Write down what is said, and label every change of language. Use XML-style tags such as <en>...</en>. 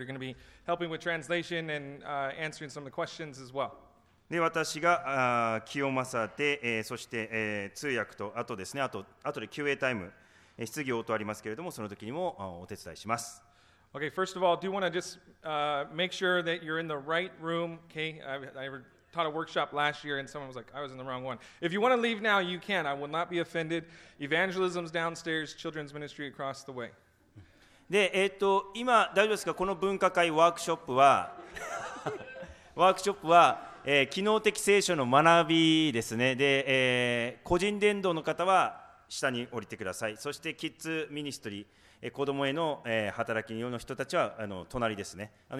<en>He's going to be helping with translation and answering some of the questions as well.</en> <ja>で、私が Kiyomasa で、そして、通訳と、あとですね、あとで Q&A タイム、質疑応答ありますけれども、その時にもお手伝いします。</ja> <en>Okay, first of all, I do want to just make sure that you're in the right room, okay? I taught a workshop last year and someone was like, I was in the wrong one. If you want to leave now, you can. I will not be offended. Evangelism's downstairs, children's ministry across the way.</en> <ja>で今大丈夫ですか、この分科会ワークショップはワークショップは、機能的聖書の学びですね。で、個人伝道の方は下に降りてください。そしてキッズミニストリー、子どもへの、働きの人たちは隣ですね。</ja>